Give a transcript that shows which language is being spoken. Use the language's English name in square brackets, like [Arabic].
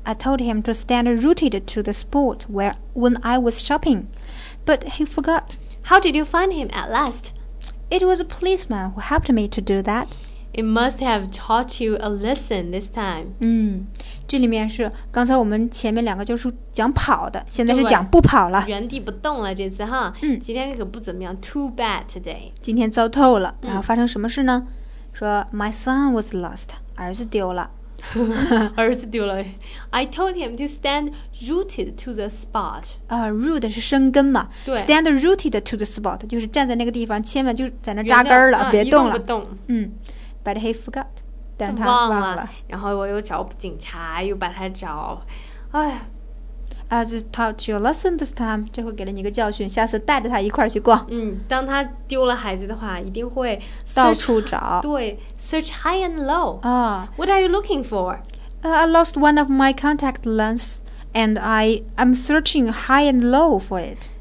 [English] I told him to stand rooted to the spot when I was shopping, but he forgot. How did you find him at last? It was a policeman who helped me to do that. It must have taught you a lesson this time. [Chinese] 这里面是刚才我们前面两个就是讲跑的，现在是讲不跑了，原地不动了这次哈。今天可不怎么样 ， [English] too bad today. [Chinese] 今天糟透了。然后发生什么事呢？说 [English] my son was lost. [Chinese] 儿子丢了。儿子丢了。 [English] I told him to stand rooted to the spot. [Chinese] Root 是生根嘛？对。 [English] Stand rooted to the spot [Chinese] 就是站在那个地方，千万就在那扎根了，别动了。一动不动。 [English] But he forgot. 但 [Chinese] 他忘了。然后我又找警察，又把他找。 [English] I just taught you a lesson this time. [Chinese] 这会给了你一个教训，下次带着他一块儿去逛。当他丢了孩子的话，一定会到处找。 [English] 对 ，search high and low. What are you looking for? I lost one of my contact lenses, and I'm searching high and low for it.